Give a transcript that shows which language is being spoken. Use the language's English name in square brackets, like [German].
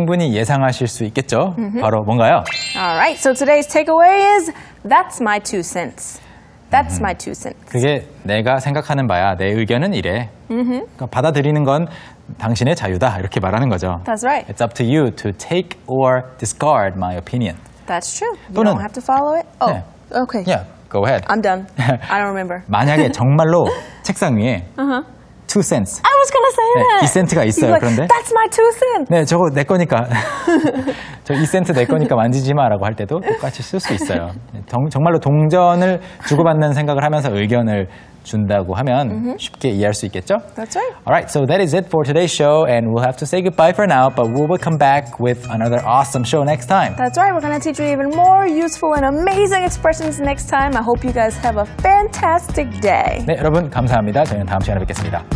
[English] Alright, so today's takeaway is, that's my two cents. That's my two cents. [Korean] 그게 내가 생각하는 바야. 내 의견은 이래. Mm-hmm. 받아들이는 건 당신의 자유다. 이렇게 말하는 거죠. [English] That's right. It's up to you to take or discard my opinion. That's true. You don't have to follow it. Oh, [Korean] 네. [English] okay. Yeah, go ahead. I'm done. I don't remember. [Korean] 만약에 정말로 책상 위에 uh-huh. two cents. [English] I was gonna say that. [Korean] 네, 이 센트가 있어요. [English] Like, [Korean] 그런데 [English] That's my two cents. [Korean] 네, 저거 내 거니까. 저 이 센트 내 거니까 만지지 마라고 할 때도 똑같이 쓸 수 있어요. 정말로 동전을 주고받는 생각을 하면서 의견을 준다고 하면 mm-hmm. 쉽게 이해할 수 있겠죠? [English] That's right. All right, so that is it for today's show, and we'll have to say goodbye for now, but we will come back with another awesome show next time. That's right. We're going to teach you even more useful and amazing expressions next time. I hope you guys have a fantastic day. [Korean] 네, 여러분 감사합니다. 저희는 다음 시간에 뵙겠습니다.